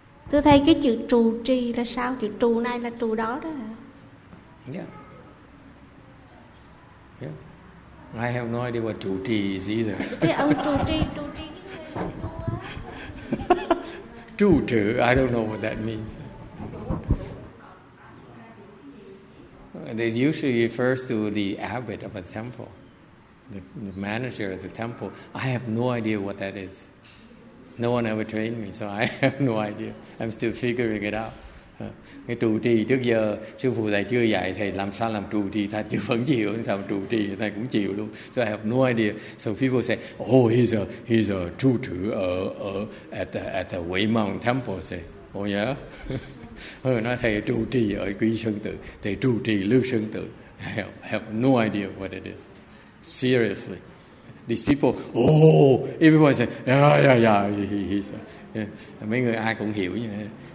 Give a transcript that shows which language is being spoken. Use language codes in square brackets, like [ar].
[vi] Tôi thấy cái chữ trụ trì là sao? Chữ trụ này là trụ đó đó hả? Yeah. [en] Yeah. I have no idea what trụ trì is either. [vi] Thế ông trụ trì, trụ trì [en] trụ trì, I don't know what that means. They usually refers to the abbot of a temple. The manager of the temple, I have no idea what that is. No one ever trained me, so I have no idea. I'm still figuring it out. [vi] Cái trụ trì trước giờ sư phụ thầy chưa dạy thầy làm sao làm trụ trì, thầy chưa vẫn chịu, sao trụ trì thầy cũng chịu luôn. [en] So I have no idea. So people say, oh, he's a trụ trì at the Weimong temple. Say, oh yeah. [vi] Nói thầy trụ trì ở Quy Sơn Tự, thầy trụ trì Lưu Sơn Tự. [en] I have no idea what it is. Seriously, these people, oh, everyone say, yeah. [vi] Mấy người ai cũng hiểu như thế.